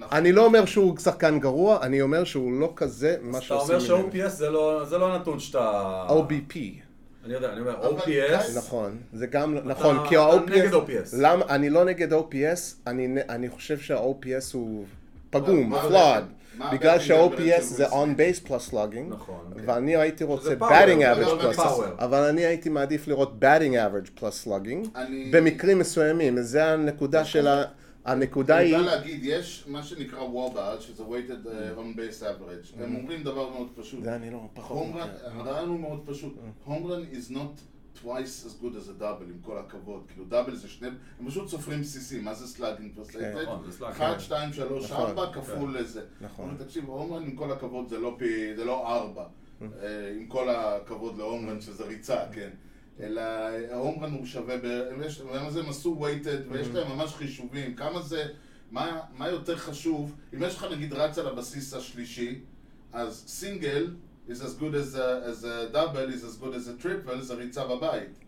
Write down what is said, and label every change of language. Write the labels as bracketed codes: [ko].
[he] אני לא אומר שהוא שחקן גרוע, אני אומר שהוא לא כזה מה שעושים. אתה אומר שה-OPS זה לא נתון שאתה... OBP. אני יודע, אני אומר, OPS... נכון, זה גם... נכון, כי ה-OPS... נגד OPS. למה? אני לא נגד OPS, אני חושב שה-OPS הוא פגום, flawed. בגלל שה-OPS זה on-base plus slugging. נכון. ואני הייתי רוצה batting average plus... אבל אני הייתי מעדיף לראות batting average plus slugging. במקרים מסוימים, זה הנקודה של ה... הנקודה היא... אני יודע להגיד, יש מה שנקרא וובה, שזה weighted on base average. הם אומרים דבר מאוד פשוט. זה אני לא, פחות. הרעיון הוא מאוד פשוט. [en] Home run is not twice as good as a double, [he] עם כל הכבוד. כאילו, double זה שני... הם פשוט סופרים בסיסי. מה זה slugging percentage? 1, 2, 3, 4 כפול לזה. נכון. אני תקשיב, home run עם כל הכבוד זה לא פי... זה לא 4. עם כל הכבוד ל-home run שזה ריצה, כן. אלא ההום רן הוא שווה, ויש, זה מסו וייטד, ויש להם ממש חישובים, כמה זה, מה יותר חשוב, אם יש לך נגיד רץ על הבסיס השלישי, אז [en] סינגל is as good as a double, is as good as a triple, [he] זה ריצה בבית.